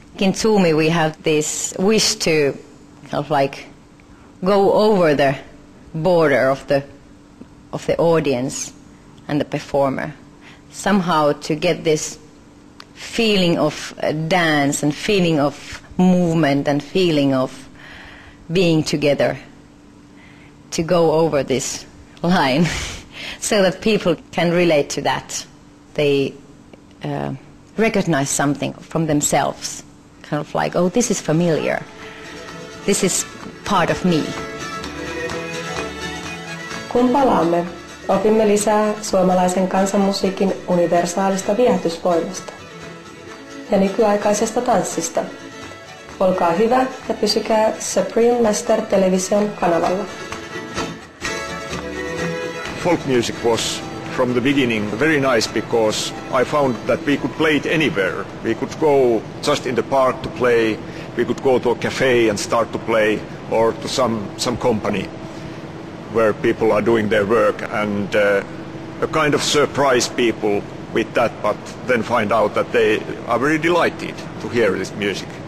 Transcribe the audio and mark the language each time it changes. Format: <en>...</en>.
<en>In Zoomi, we have this wish to kind of like go over the border of the audience and the performer, somehow to get this feeling of dance and feeling of movement and feeling of being together, to go over this line so that people can relate to that. They recognize something from themselves, kind of like, oh, this is familiar, this is part of me.</en> <fi>Kun palaamme, opimme lisää suomalaisen kansanmusiikin universaalista viehätysvoimasta ja nykyaikaisesta tanssista. Olkaa hyvä ja pysykää Supreme Master Television kanavalla.</fi> <en>Folk music was from the beginning very nice because I found that we could play it anywhere. We could go just in the park to play, we could go to a cafe and start to play, or to some company where people are doing their work, and a kind of surprise people with that, but then find out that they are very delighted to hear this music.</en>